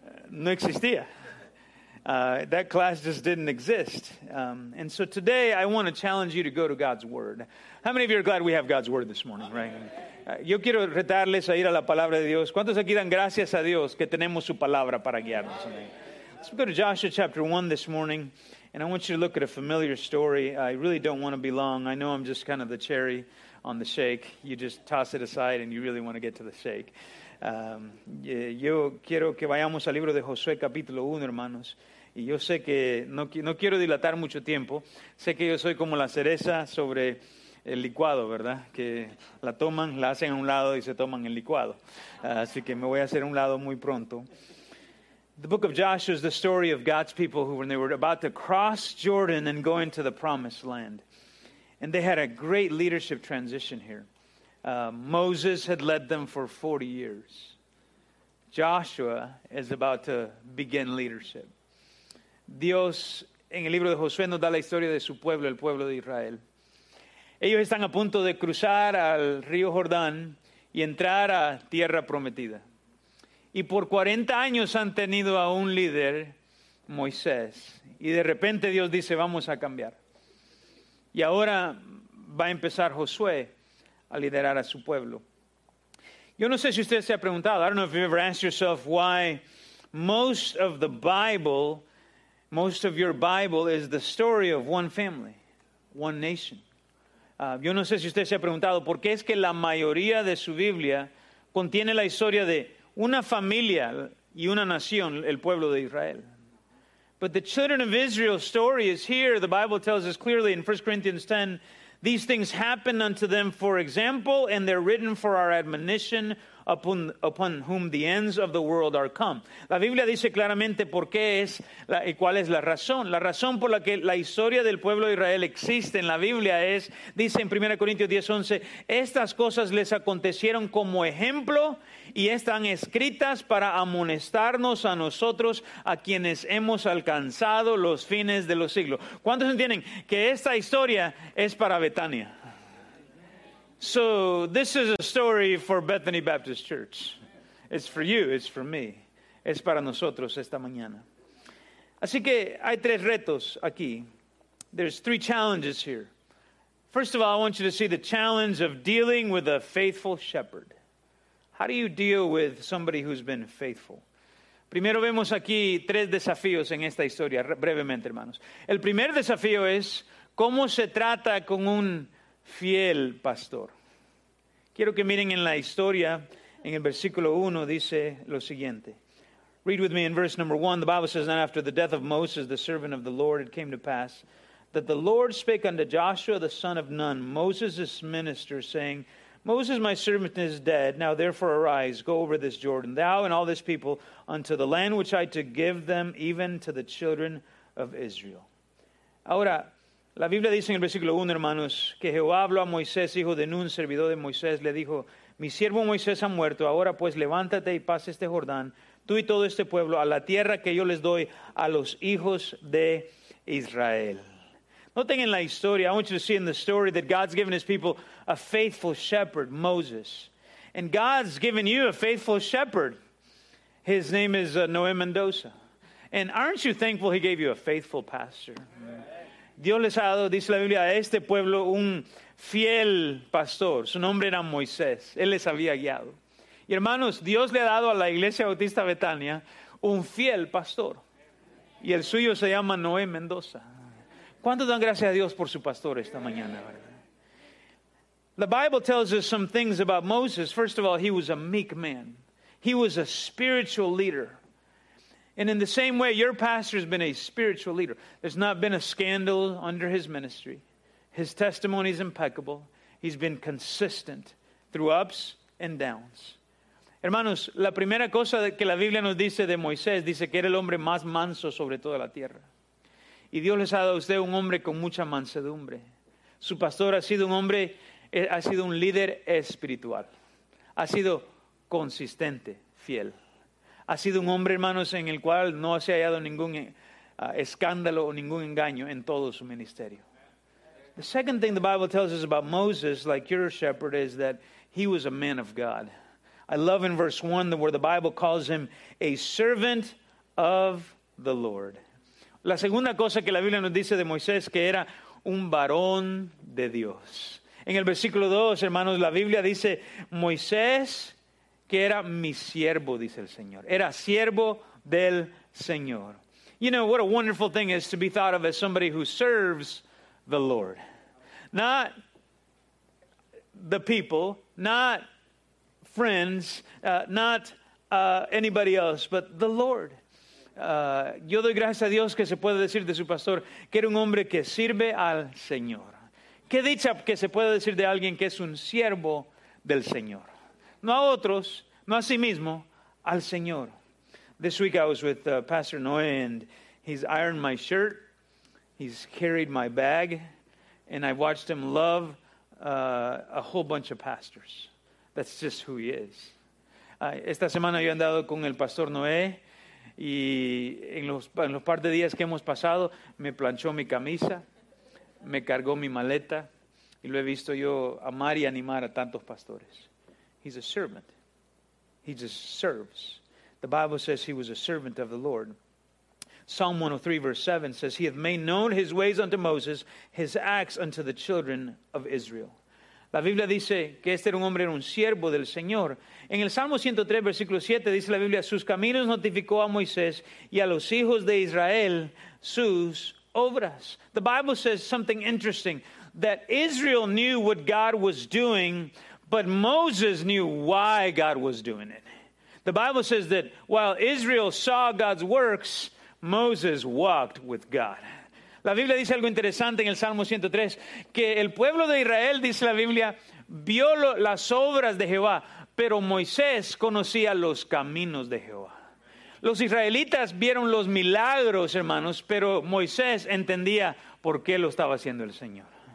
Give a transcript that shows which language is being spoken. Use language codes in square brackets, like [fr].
[es] No existía. [en] That class just didn't exist. And so today I want to challenge you to go to God's Word. How many of you are glad we have God's Word this morning, right? [es] Yo quiero retarles a ir a la palabra de Dios. ¿Cuántos aquí dan gracias a Dios que tenemos su palabra para guiarnos? [en] Let's go to Joshua chapter 1 this morning. And I want you to look at a familiar story. I really don't want to be long. I know I'm just kind of the cherry on the shake. You just toss it aside and you really want to get to the shake. [es] Yo quiero que vayamos al libro de Josué capítulo 1, hermanos. Y yo sé que no quiero dilatar mucho tiempo. Sé que yo soy como la cereza sobre el licuado, ¿verdad? Que la toman, la hacen a un lado y se toman el licuado. Así que me voy a hacer a un lado muy pronto. [en] The book of Joshua is the story of God's people who, when they were about to cross Jordan and go into the promised land. And they had a great leadership transition here. Moses had led them for 40 years. Joshua is about to begin leadership. [es] Dios, en el libro de Josué, nos da la historia de su pueblo, el pueblo de Israel. Ellos están a punto de cruzar al río Jordán y entrar a tierra prometida. Y por 40 años han tenido a un líder, Moisés. Y de repente Dios dice, vamos a cambiar. Y ahora va a empezar Josué a liderar a su pueblo. Yo no sé si usted se ha preguntado, [en] I don't know if you've ever asked yourself why most of the Bible, most of your Bible is the story of one family, one nation. [es] Yo no sé si usted se ha preguntado por qué es que la mayoría de su Biblia contiene la historia de una familia y una nación, el pueblo de Israel. [en] But the children of Israel story is here, the Bible tells us clearly in 1 Corinthians 10, these things happened unto them for example, and they're written for our admonition upon whom the ends of the world are come. [es] La Biblia dice claramente por qué es y cuál es la razón. La razón por la que la historia del pueblo de Israel existe en la Biblia es, dice en 1 Corintios 10, 11, estas cosas les acontecieron como ejemplo y están escritas para amonestarnos a nosotros, a quienes hemos alcanzado los fines de los siglos. ¿Cuántos entienden que esta historia es para Betania? [en] So this is a story for Bethany Baptist Church. It's for you, it's for me. [es] Es para nosotros esta mañana. Así que hay tres retos aquí. [en] There's three challenges here. First of all, I want you to see the challenge of dealing with a faithful shepherd. How do you deal with somebody who's been faithful? [es] Primero vemos aquí tres desafíos en esta historia, brevemente, hermanos. El primer desafío es cómo se trata con un fiel pastor. Quiero que miren en la historia, en el versículo 1, dice lo siguiente. [en] Read with me in verse number 1. The Bible says, "Now after the death of Moses, the servant of the Lord, it came to pass that the Lord spake unto Joshua, the son of Nun, Moses' minister, saying, Moses, my servant, is dead. Now therefore arise, go over this Jordan, thou and all this people, unto the land which I to give them, even to the children of Israel." [es] Ahora, la Biblia dice en el versículo 1, hermanos, que Jehová habló a Moisés, hijo de Nun, servidor de Moisés, le dijo, mi siervo Moisés ha muerto, ahora pues levántate y pase este Jordán, tú y todo este pueblo, a la tierra que yo les doy a los hijos de Israel. Noten en la historia, [en] I want you to see in the story that God's given his people a faithful shepherd, Moses. And God's given you a faithful shepherd. His name is Noé Mendoza. And aren't you thankful he gave you a faithful pastor? [es] Dios les ha dado, dice la Biblia, a este pueblo un fiel pastor. Su nombre era Moisés. Él les había guiado. Y hermanos, Dios le ha dado a la Iglesia Bautista Betania un fiel pastor. Y el suyo se llama Noé Mendoza. ¿Cuántos dan gracias a Dios por su pastor esta mañana, verdad? [en] The Bible tells us some things about Moses. First of all, he was a meek man. He was a spiritual leader. And in the same way, your pastor has been a spiritual leader. There's not been a scandal under his ministry. His testimony is impeccable. He's been consistent through ups and downs. [es] Hermanos, la primera cosa que la Biblia nos dice de Moisés, dice que era el hombre más manso sobre toda la tierra. Y Dios les ha dado a usted un hombre con mucha mansedumbre. Su pastor ha sido un hombre, ha sido un líder espiritual. Ha sido consistente, fiel. Ha sido un hombre, hermanos, en el cual no se ha hallado ningún escándalo o ningún engaño en todo su ministerio. [en] The second thing the Bible tells us about Moses, like your shepherd, is that he was a man of God. I love in verse 1 where the Bible calls him a servant of the Lord. [es] La segunda cosa que la Biblia nos dice de Moisés, que era un varón de Dios. En el versículo 2, hermanos, la Biblia dice, Moisés, que era mi siervo, dice el Señor. Era siervo del Señor. [en] You know, what a wonderful thing is to be thought of as somebody who serves the Lord. Not the people, not friends, not anybody else, but the Lord. [es] Yo doy gracias a Dios que se puede decir de su pastor que era un hombre que sirve al Señor. Qué dicha que se puede decir de alguien que es un siervo del Señor. No a otros, no a sí mismo, al Señor. [en] This week I was with Pastor Noé and he's ironed my shirt, he's carried my bag, and I watched him love a whole bunch of pastors. That's just who he is. [es] Esta semana yo he andado con el pastor Noé y en los par de días que hemos pasado me planchó mi camisa, me cargó mi maleta y lo he visto yo amar y animar a tantos pastores. [en] He's a servant. He just serves. The Bible says he was a servant of the Lord. Psalm 103 verse 7 says, He hath made known his ways unto Moses, his acts unto the children of Israel. [es] La Biblia dice que este era un hombre, era un siervo del Señor. En el Salmo 103, versículo 7, dice la Biblia, sus caminos notificó a Moisés y a los hijos de Israel sus obras. [en] The Bible says something interesting, that Israel knew what God was doing, but Moses knew why God was doing it. The Bible says that while Israel saw God's works, Moses walked with God. [es] La Biblia dice algo interesante en el Salmo 103, que el pueblo de Israel, dice la Biblia, vio las obras de Jehová, pero Moisés conocía los caminos de Jehová. Los israelitas vieron los milagros, hermanos, pero Moisés entendía por qué lo estaba haciendo el Señor.